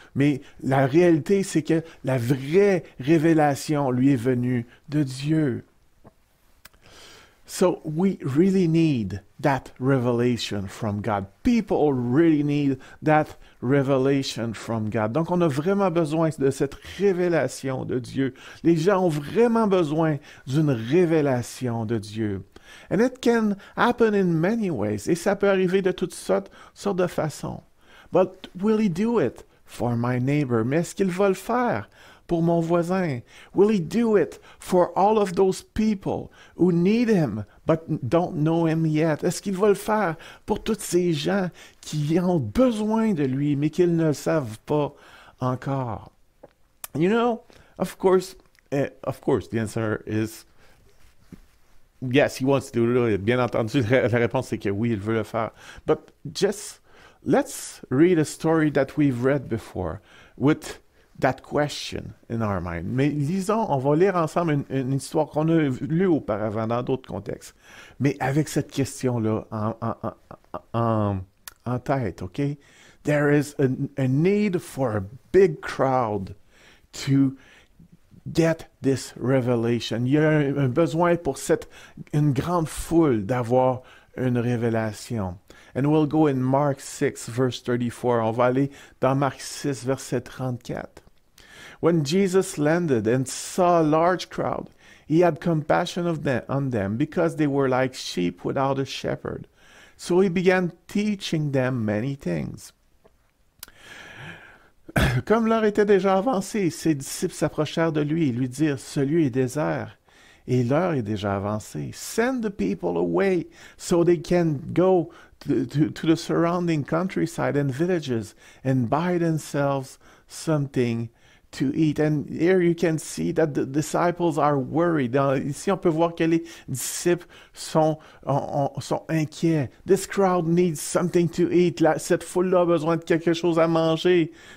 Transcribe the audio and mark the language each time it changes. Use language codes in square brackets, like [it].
[fr] Mais la réalité, c'est que la vraie révélation lui est venue de Dieu. [en] So we really need that revelation from God. People really need that revelation from God. [fr] Donc on a vraiment besoin de cette révélation de Dieu. Les gens ont vraiment besoin d'une révélation de Dieu. [en] And it can happen in many ways. [fr] Et ça peut arriver de toutes sortes de façons. [en] But will he do it for my neighbor? [fr] Mais est-ce qu'il va le faire pour mon voisin? [en] Will he do it for all of those people who need him but don't know him yet? [fr] Est-ce qu'il va le faire pour toutes ces gens qui ont besoin de lui mais qu'ils ne le savent pas encore? [en] You know, of course, the answer is yes, he wants to do it. [fr] Bien entendu, la réponse c'est que oui, il veut le faire. [en] But just let's read a story that we've read before with that question in our mind. [fr] Mais lisons, on va lire ensemble une histoire qu'on a lue auparavant dans d'autres contextes, mais avec cette question-là en tête, OK? [en] There is a need for a big crowd to get this revelation. [fr] Il y a un besoin pour une grande foule d'avoir une révélation. [en] And we'll go in Mark 6, verse 34. [fr] On va aller dans Marc 6, verset 34. [en] When Jesus landed and saw a large crowd, he had compassion on them because they were like sheep without a shepherd. So he began teaching them many things. [fr] Comme l'heure était déjà avancée, ses disciples s'approchèrent de lui et lui dirent, « Ce lieu est désert et l'heure est déjà avancée. [en] Send the people away so they can go to the surrounding countryside and villages and buy themselves something to eat. » And here you can see that the disciples are worried. [fr] Ici, on peut voir que les disciples sont inquiets. [en] This crowd needs something to eat. [fr] Cette foule-là a besoin de quelque chose à manger.